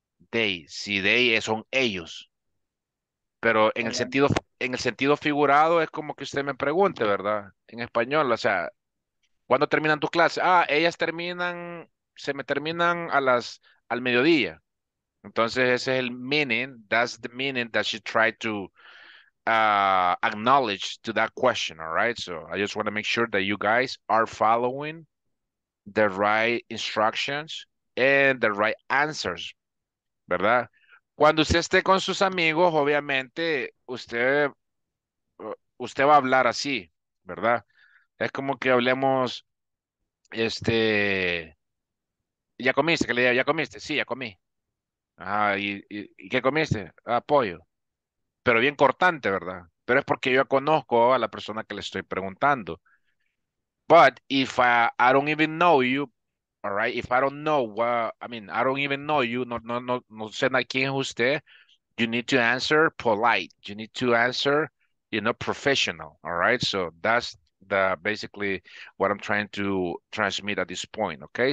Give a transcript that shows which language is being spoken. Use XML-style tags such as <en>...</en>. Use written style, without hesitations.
<es>They, si they son ellos, pero en el sentido figurado es como que usted me pregunte, ¿verdad? En español, o sea, ¿cuándo terminan tus clases? Ah, ellas terminan, se me terminan al mediodía.</es> <en>Entonces, ese es el meaning, that's the meaning that she tried to acknowledge to that question, all right? So I just want to make sure that you guys are following the right instructions and the right answers, ¿verdad?</en> <es>Cuando usted esté con sus amigos, obviamente, usted va a hablar así, ¿verdad? Es como que hablemos, ¿ya comiste? ¿Qué le digo? ¿Ya comiste? Sí, ya comí. Ajá, ¿y qué comiste? Ah, pollo. Pero bien cortante, ¿verdad? Pero es porque yo conozco a la persona que le estoy preguntando.</es> <en>But if I don't even know you, all right, if I don't know, I don't even know you, no sé quién es usted, you need to answer polite. You need to answer, you know, professional, all right? So that's the basically what I'm trying to transmit at this point, okay?</en>